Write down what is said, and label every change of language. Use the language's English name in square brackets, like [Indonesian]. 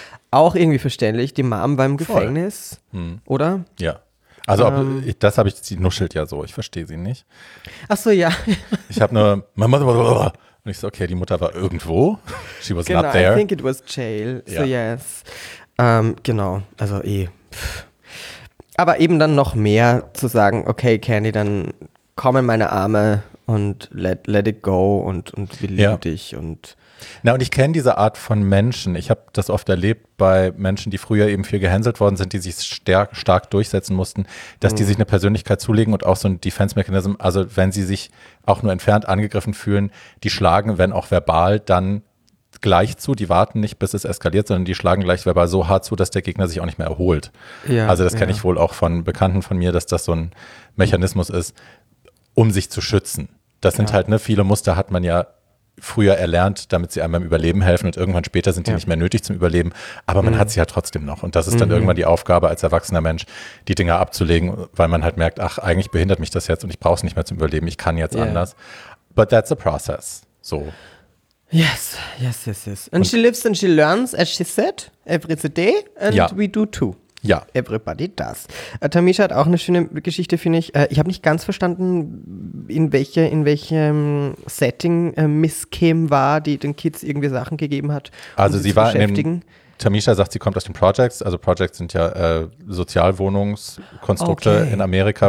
[German] Auch irgendwie verständlich, die Mom war im Gefängnis, oder? Ja, also das habe ich, sie nuschelt ja so, ich verstehe sie nicht. Ach so, ja. Ich habe nur, [English] my mother, [German] blablabla. Und ich so, okay, die Mutter war irgendwo, [English] she was [German] genau, [English] not there. [German] Genau, [English] I think it was jail, so yes. [German] Genau, also aber eben dann noch mehr zu sagen, okay, Candy, dann komm in meine Arme und [English] let it go [German] und wir lieben dich. Und na, und ich kenne diese Art von Menschen. Ich habe das oft erlebt bei Menschen, die früher eben viel gehänselt worden sind, die sich stark durchsetzen mussten, dass die sich eine Persönlichkeit zulegen und auch so ein Defense-Mechanism, also wenn sie sich auch nur entfernt angegriffen fühlen, die schlagen, wenn auch verbal, dann gleich zu, die warten nicht, bis es eskaliert, sondern die schlagen gleich verbal so hart zu, dass der Gegner sich auch nicht mehr erholt. Ja, also das kenne ich wohl auch von Bekannten von mir, dass das so ein Mechanismus ist, um sich zu schützen. Das sind halt, ne, viele Muster hat man ja früher erlernt, damit sie einem beim Überleben helfen und irgendwann später sind die nicht mehr nötig zum Überleben, aber man hat sie ja trotzdem noch und das ist dann irgendwann die Aufgabe als erwachsener Mensch, die Dinger abzulegen, weil man halt merkt, ach, eigentlich behindert mich das jetzt und ich brauche es nicht mehr zum Überleben, ich kann jetzt anders. [English] But that's a process. So. Yes, yes, yes, yes. And she lives and she learns, as she said, every day, and we do too. [German] Ja. [English] Everybody does. [German] Tamisha hat auch eine schöne Geschichte, finde ich. Ich habe nicht ganz verstanden, in welchem Setting Miss Kim war, die den Kids irgendwie Sachen gegeben hat, also um sie war zu beschäftigen. Tamisha sagt, sie kommt aus den Projects. Also Projects sind ja Sozialwohnungskonstrukte in Amerika.